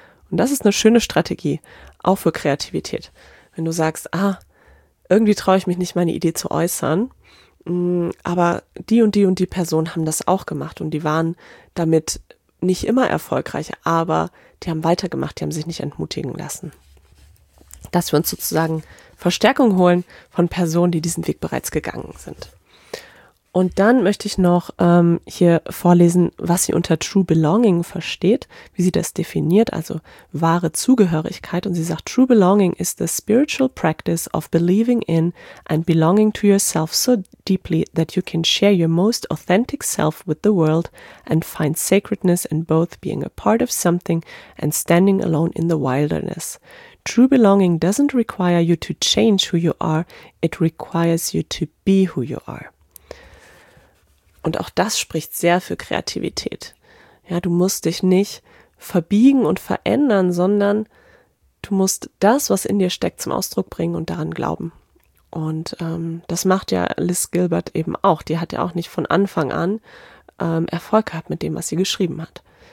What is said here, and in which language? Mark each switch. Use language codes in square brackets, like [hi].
[de] Und das ist eine schöne Strategie, auch für Kreativität. Wenn du sagst, ah, irgendwie traue ich mich nicht, meine Idee zu äußern, aber die und die und die Person haben das auch gemacht und die waren damit nicht immer erfolgreich, aber die haben weitergemacht, die haben sich nicht entmutigen lassen. Dass wir uns sozusagen Verstärkung holen von Personen, die diesen Weg bereits gegangen sind. Und dann möchte ich noch hier vorlesen, was sie unter True Belonging versteht, wie sie das definiert, also wahre Zugehörigkeit. Und sie sagt, [en] True Belonging is the spiritual practice of believing in and belonging to yourself so deeply that you can share your most authentic self with the world and find sacredness in both being a part of something and standing alone in the wilderness. True Belonging doesn't require you to change who you are, it requires you to be who you are. [de] Und auch das spricht sehr für Kreativität. Ja, du musst dich nicht verbiegen und verändern, sondern du musst das, was in dir steckt, zum Ausdruck bringen und daran glauben. Und das macht ja Liz Gilbert eben auch. Die hat ja auch nicht von Anfang an Erfolg gehabt mit dem, was sie geschrieben hat.